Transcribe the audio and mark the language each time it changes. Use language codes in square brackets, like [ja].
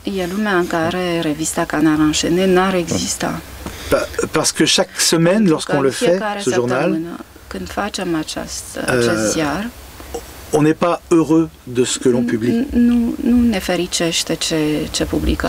[fr] Il y a [ro] lumea în care revista Canard Enchaîné n-ar exista. [fr] Parce que chaque semaine, lorsqu'on le fait, ce journal, [ro] când facem acest ziar, [fr] on n'est pas heureux de ce que l'on publie. [ro] Nu ne fericește ce publică.